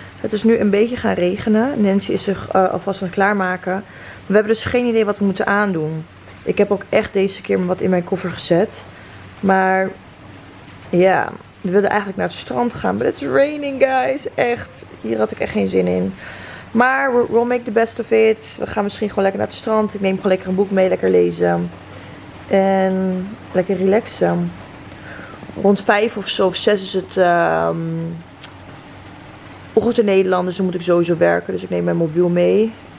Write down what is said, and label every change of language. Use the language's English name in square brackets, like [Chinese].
[Dutch] Het is nu een beetje gaan regenen. Nancy is zich alvast aan het klaarmaken. We hebben dus geen idee wat we moeten aandoen. Ik heb ook echt deze keer wat in mijn koffer gezet. Maar ja, we wilden eigenlijk naar het strand gaan. [English] But it's raining, guys. [Dutch] Echt, hier had ik echt geen zin in. Maar [English] we'll make the best of it. [Dutch] We gaan misschien gewoon lekker naar het strand. Ik neem gewoon lekker een boek mee, lekker lezen. En lekker relaxen. Rond 5 of zo of 6 is het ochtend in Nederland, dus dan moet ik sowieso werken. Dus ik neem mijn mobiel mee.